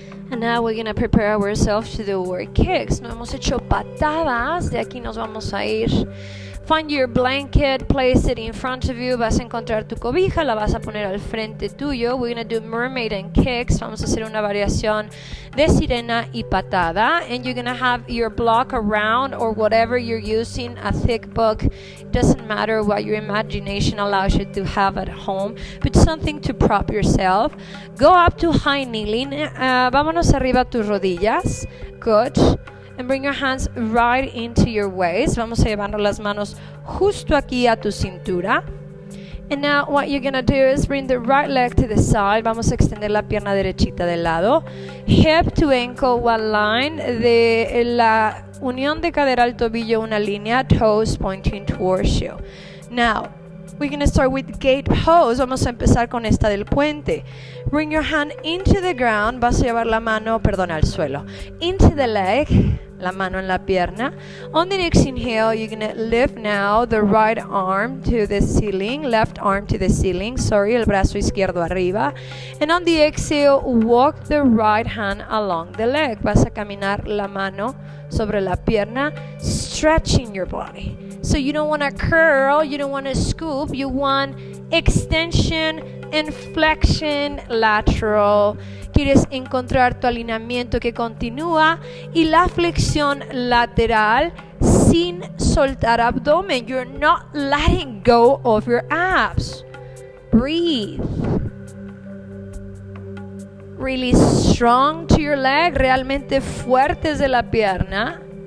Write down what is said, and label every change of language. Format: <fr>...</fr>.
<en>And now we're going to prepare ourselves to do our kicks.</en> <es>No hemos hecho patadas. De aquí nos vamos a ir.</es> <en>Find your blanket, place it in front of you.</en> <es>Vas a encontrar tu cobija, la vas a poner al frente tuyo.</es> <en>We're going to do mermaid and kicks.</en> <es>Vamos a hacer una variación de sirena y patada.</es> <en>And you're going to have your block around or whatever you're using, a thick book. It doesn't matter what your imagination allows you to have at home, but something to prop yourself. Go up to high kneeling.</en> <es>Vámonos arriba a tus rodillas.</es> <en>Good. And bring your hands right into your waist.</en> <es>Vamos a llevar las manos justo aquí a tu cintura.</es> <en>And now what you're going to do is bring the right leg to the side.</en> <es>Vamos a extender la pierna derechita del lado.</es> <en>Hip to ankle, one line.</en> <es>De la unión de cadera al tobillo, una línea.</es> <en>Toes pointing towards you. Now, we're going to start with gate pose.</en> <es>Vamos a empezar con esta del puente.</es> <en>Bring your hand into the ground.</en> <es>Vas a llevar la mano, perdón, al suelo.</es> <en>Into the leg,</en> <es>la mano en la pierna.</es> <en>On the next inhale, you're going to lift now the right arm to the ceiling, left arm to the ceiling, sorry,</en> <es>el brazo izquierdo arriba.</es> <en>And on the exhale, walk the right hand along the leg.</en> <es>Vas a caminar la mano sobre la pierna,</es> <en>stretching your body. So you don't want to curl, you don't want to scoop, you want extension and flexion lateral.</en> <es>Quieres encontrar tu alineamiento que continúa y la flexión lateral sin soltar abdomen.</es> <en>You're not letting go of your abs. Breathe. Really strong to your leg,</en> <es>realmente fuertes de la pierna.</es>